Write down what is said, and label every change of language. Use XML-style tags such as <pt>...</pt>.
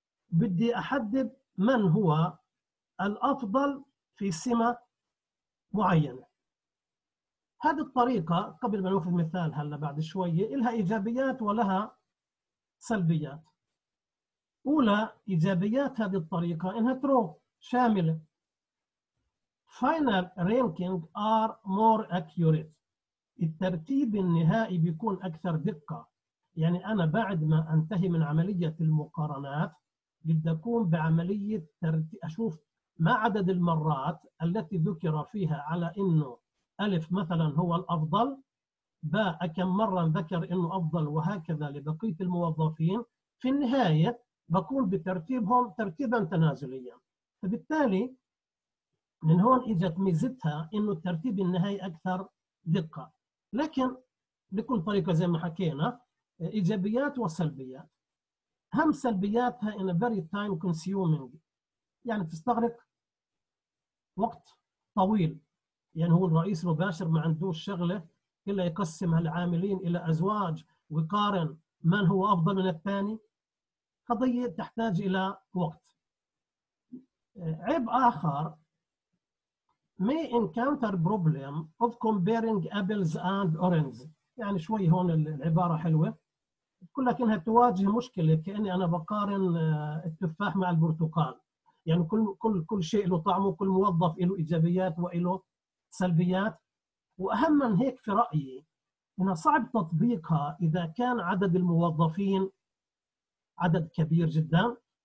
<ar>بدي أحدد من هو الأفضل في سمة معينة. هذه الطريقة قبل ما نأخذ مثال هلا بعد شوية إلها إيجابيات ولها سلبيات. أولى إيجابيات هذه الطريقة إنها ترو شاملة.</ar> <en>Final ranking are more accurate.</en> <ar>الترتيب النهائي بيكون أكثر دقة. يعني أنا بعد ما أنتهي من عملية المقارنات بدي أقوم بعملية أشوف ما عدد المرات التي ذكر فيها على إنه ألف مثلاً هو الأفضل، باء كم مرة ذكر إنه أفضل، وهكذا لبقية الموظفين. في النهاية بقوم بترتيبهم ترتيباً تنازلياً. فبالتالي من هون إجت ميزتها إنه الترتيب النهائي أكثر دقة. لكن بكل طريقة زي ما حكينا إيجابيات وسلبيات. أهم سلبياتها إن</ar> <en>very time consuming،</en> <ar>يعني تستغرق وقت طويل. يعني هو الرئيس المباشر ما عندوش شغلة إلا يقسم العاملين إلى أزواج ويقارن من هو أفضل من الثاني. قضية تحتاج إلى وقت. عيب آخر،</ar> <en>may encounter problem of comparing apples and oranges.</en> <ar>يعني شوي هون العبارة حلوة، كلك انها تواجه مشكله، كاني انا بقارن التفاح مع البرتقال، يعني كل كل كل شيء له طعمه، كل موظف له ايجابيات وله سلبيات. واهم من هيك في رايي انها صعب تطبيقها اذا كان عدد الموظفين عدد كبير جدا.</ar>